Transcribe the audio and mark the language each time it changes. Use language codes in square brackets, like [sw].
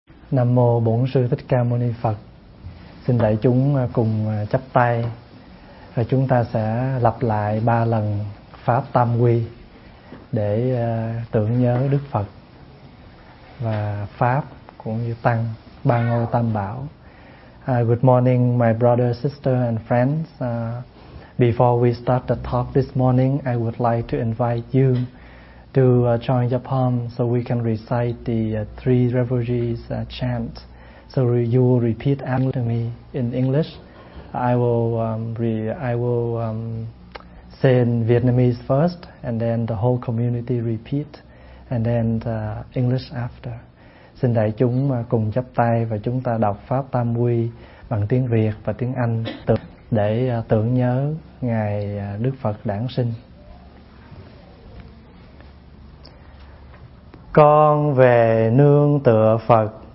[vi] Nam Mô Bổn Sư Thích Ca Mâu Ni Phật. Xin đại chúng cùng chắp tay. Và chúng ta sẽ lặp lại ba lần Pháp Tam Quy để tưởng nhớ Đức Phật và Pháp cũng như Tăng, Ba Ngôi Tam Bảo. [en] Good morning, my brother, sister and friends. Before we start the talk this morning, I would like to invite you to join the poem so we can recite the three refugees chant. So you will repeat after me in English. I will say in Vietnamese first, and then the whole community repeat, and then English after. [vi] Xin đại chúng cùng chắp tay và chúng ta đọc Pháp Tam Quy bằng tiếng Việt và tiếng Anh để tưởng nhớ Ngài Đức Phật đản sinh. Con về nương tựa Phật.